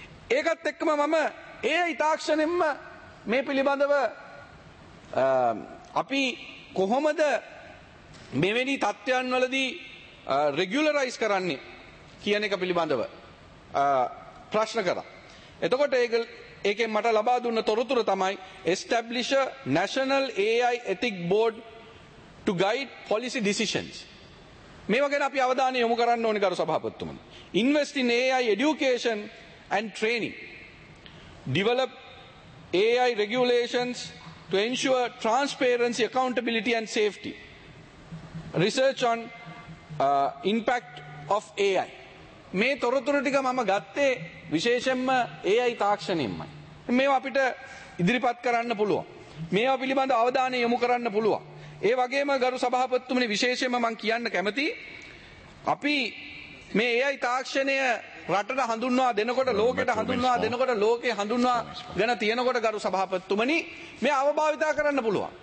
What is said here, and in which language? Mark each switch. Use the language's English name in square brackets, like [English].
[Sinhala] ඒකත් එක්කම මම ඒ ඉතාක්ෂණයෙන්ම මේ පිළිබඳව අපි කොහොමද මෙවැනි තත්ත්වයන් වලදී රෙගියුලරයිස් කරන්නේ කියන එක පිළිබඳව ප්‍රශ්න කරා. එතකොට ඒකෙන් මට ලබා දුන්න තොරතුරු තමයි [English] establish a national AI ethic board to guide policy decisions. [Sinhala] මේවා ගැන අපි අවධානය යොමු කරන්න ඕනේ ගරු සභාපතිතුමනි. [English] Invest in AI education and training. Develop AI regulations to ensure transparency, accountability and safety. Research on impact of AI. [Sinhala] මේ තොරතුරු ටික මම ගත්තේ විශේෂයෙන්ම AI තාක්ෂණයෙන්මයි. මේවා අපිට ඉදිරිපත් කරන්න පුළුවන්. මේවා පිළිබඳ අවධානය යොමු කරන්න පුළුවන්. ඒ වගේම ගරු සභාපතිතුමනි විශේෂයෙන්ම මම කියන්න කැමති අපි මේ AI තාක්ෂණය රටට හඳුන්වා දෙනකොට ලෝකෙට හඳුන්වා දෙනකොට ලෝකෙ හඳුන්වා ගෙන තියෙනකොට ගරු සභාපතිතුමනි මේ අවභාවිතා කරන්න පුළුවන්.